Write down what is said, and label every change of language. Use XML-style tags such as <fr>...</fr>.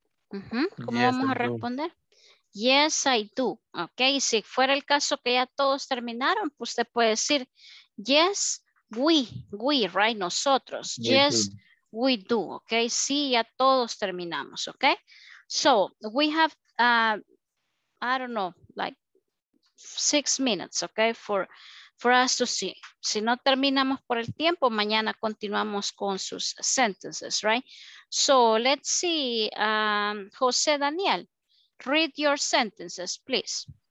<es>¿Cómo yes, vamos a responder?</es> <en>Yes, I do.</en> <es>Okay, si fuera el caso que ya todos terminaron, pues usted puede decir,</es> <en>yes, we,</en> <es>right, nosotros.</es> <en>Yes, we do. Okay,</en> <es>sí, ya todos terminamos,</es> <en>okay? So, we have, I don't know, like 6 minutes, okay, for us to see.</en> <es>Si no terminamos por el tiempo, mañana continuamos con sus sentences, right?</es> <en>So let's see, José Daniel, read your sentences, please.</en>